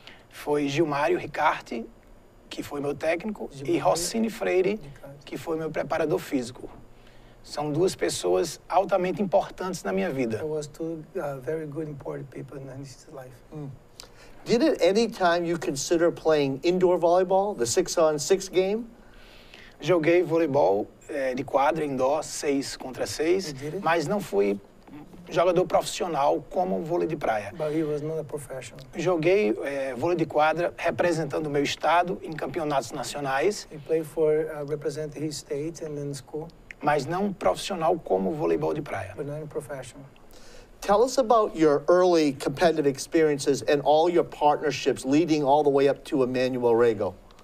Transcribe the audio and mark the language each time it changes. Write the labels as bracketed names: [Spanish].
[Portuguese] Foi Gilmário Ricarte, que foi meu técnico, e Rossini Freire, que foi meu preparador físico. São duas pessoas altamente importantes na minha vida. [English] It was two very good important people in this life. Mm. Did at any time you consider playing indoor volleyball, the 6-on-6 game? [Portuguese] Joguei voleibol de quadra indoor, 6-on-6, mas não fui jogador profissional como vôlei de praia. [English] But he was not a professional. [Portuguese] Joguei vôlei de quadra representando o meu estado em campeonatos nacionais. [English] He played for representing his state and then school. [Portuguese] Mas não profissional como voleibol de praia. [English] But not professional. Tell us about your early competitive experiences and all your partnerships leading all the way up to Emmanuel Rego.